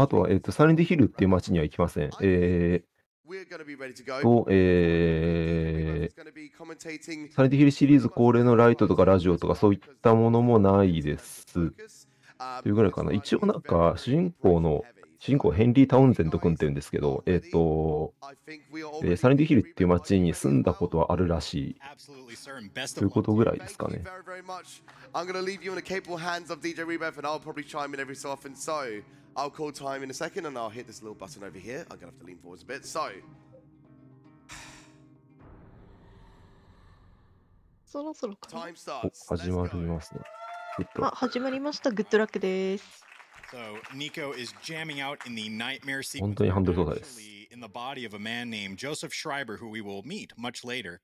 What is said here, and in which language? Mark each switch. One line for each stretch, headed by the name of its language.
Japanese: あとは、サイレントヒルっていう街には行きません。サイレントヒルシリーズ恒例のライトとかラジオとかそういったものもないです。というぐらいかな。一応なんか、主人公ヘンリー・タウンゼント君って言うんですけど、サイレントヒルっていう街に住んだことはあるらしい。ということぐらいですかね。
English: I'm gonna leave you in the capable hands of DJ Rebirth and I'll probably chime in every so often. So I'll call time in a second and I'll hit this little button over here. I'm gonna have to lean forward a bit. So.
Japanese: そろそろか。
English: time starts.
Japanese: 始まりますね。始まりました。グッドラックです。本当にハンドル操作です。
English: in the body of a man named Joseph Schreiber, who we will meet much later.